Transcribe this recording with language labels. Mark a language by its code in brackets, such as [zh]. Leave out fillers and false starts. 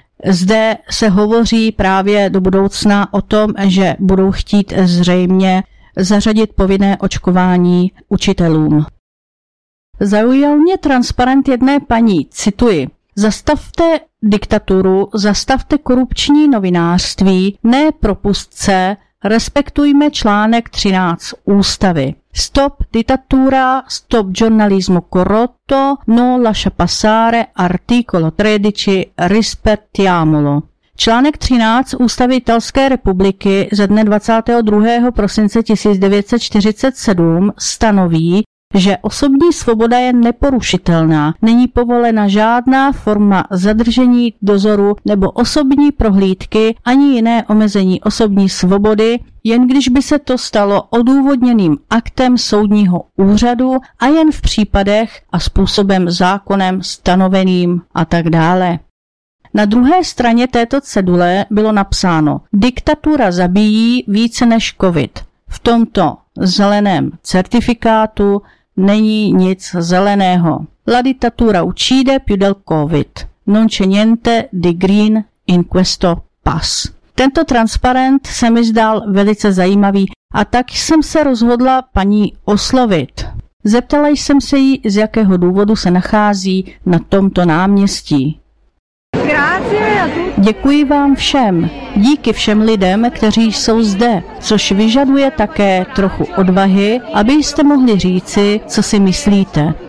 [cs] Zde se hovoří právě do budoucna o tom, že budou chtít zřejmě zařadit povinné očkování učitelům. Zaujal mě transparent jedné paní, cituji, zastavte diktaturu, zastavte korupční novinářství, ne propustce, respektujme článek 13 ústavy. [it] Stop diktatura, stop giornalismo corrotto, no lascia passare articolo 13, rispettiamolo. [cs] Článek 13 ústavy Italské republiky ze dne 22. prosince 1947 stanoví, že osobní svoboda je neporušitelná, není povolena žádná forma zadržení, dozoru nebo osobní prohlídky ani jiné omezení osobní svobody, jen když by se to stalo odůvodněným aktem soudního úřadu a jen v případech a způsobem zákonem stanoveným a tak dále. Na druhé straně této cedule bylo napsáno, diktatura zabíjí více než covid. V tomto zeleném certifikátu není nic zeleného. [it] La dittatura uccide più del covid. Non c'è niente di green in questo pass. [cs] Tento transparent se mi zdal velice zajímavý a tak jsem se rozhodla paní oslovit. Zeptala jsem se jí, z jakého důvodu se nachází na tomto náměstí. Děkuji vám všem. Díky všem lidem, kteří jsou zde, což vyžaduje také trochu odvahy, abyste mohli říci, co si myslíte.